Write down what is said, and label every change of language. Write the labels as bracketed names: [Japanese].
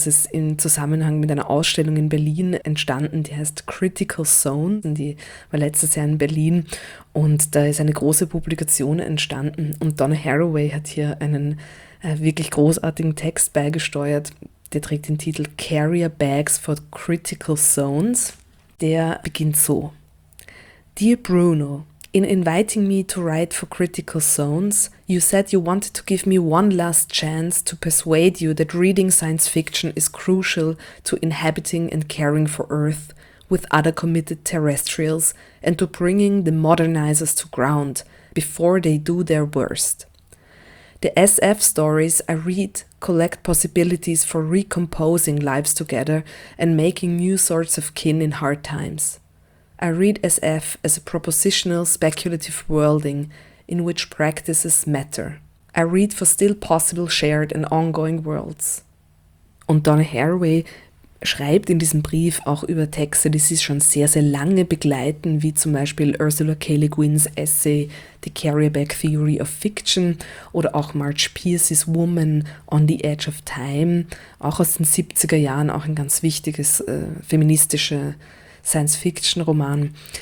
[German] Das ist im Zusammenhang mit einer Ausstellung in Berlin entstanden, die heißt Critical Zone. Die war letztes Jahr in Berlin und da ist eine große Publikation entstanden. Und Donna Haraway hat hier einen wirklich großartigen Text beigesteuert. Der trägt den Titel Carrier Bags for Critical Zones. Der beginnt so. [English] Dear Bruno, in inviting me to write for Critical Zones, you said you wanted to give me one last chance to persuade you that reading science fiction is crucial to inhabiting and caring for Earth with other committed terrestrials and to bringing the modernizers to ground before they do their worst. The SF stories I read collect possibilities for recomposing lives together and making new sorts of kin in hard times. I read SF as a propositional speculative worlding in which practices matter. I read for still possible shared and ongoing worlds. [German] Und Donna Haraway schreibt in diesem Brief auch über Texte, die sie schon sehr, sehr lange begleiten, wie zum Beispiel Ursula K. Le Guin's Essay The Carrier Bag Theory of Fiction oder auch March Pierce's Woman on the Edge of Time, auch aus den 70er Jahren, auch ein ganz wichtiges feministische Science-Fiction-Roman.